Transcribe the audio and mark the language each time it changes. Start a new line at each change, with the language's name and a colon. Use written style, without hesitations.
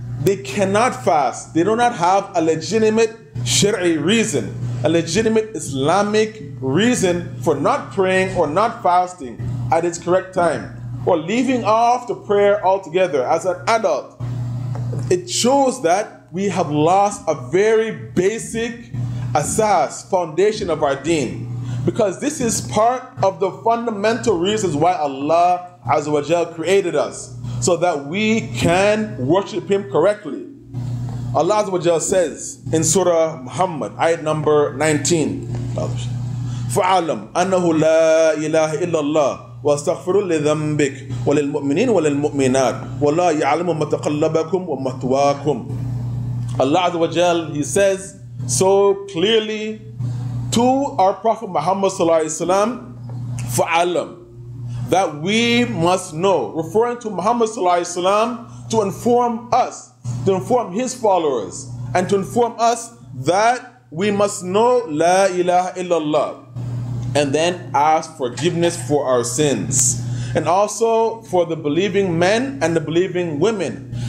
English: they cannot fast, they do not have a legitimate Shari'i reason, a legitimate Islamic reason for not praying or not fasting at its correct time, or leaving off the prayer altogether as an adult, it shows that we have lost a very basic asas, foundation of our deen. Because this is part of the fundamental reasons why Allah Azza wa Jal created us, so that we can worship Him correctly. Allah Azza wa Jal says in Surah Muhammad, ayat number 19,
Arabic: فَعَلَمْ أَنَّهُ لَا إِلَٰهِ إِلَّا اللَّهِ وَاسْتَغْفِرُ لِذَنْبِكَ وَلِلْمُؤْمِنِينَ وَلِلْمُؤْمِنَاتِ وَلَا يَعْلَمُ مَتَقَلَّبَكُمْ وَمَتْوَاكُمْ.
English: Allah Azza wa Jal, He says so clearly to our Prophet Muhammad Sallallahu Alaihi Wasallam,
Arabic: فَعَلَمْ,
English: that we must know, referring to Muhammad Sallallahu Alaihi Wasallam, to inform us, to inform his followers, and to inform us that we must know La ilaha illallah, and then ask forgiveness for our sins, and also for the believing men and the believing women.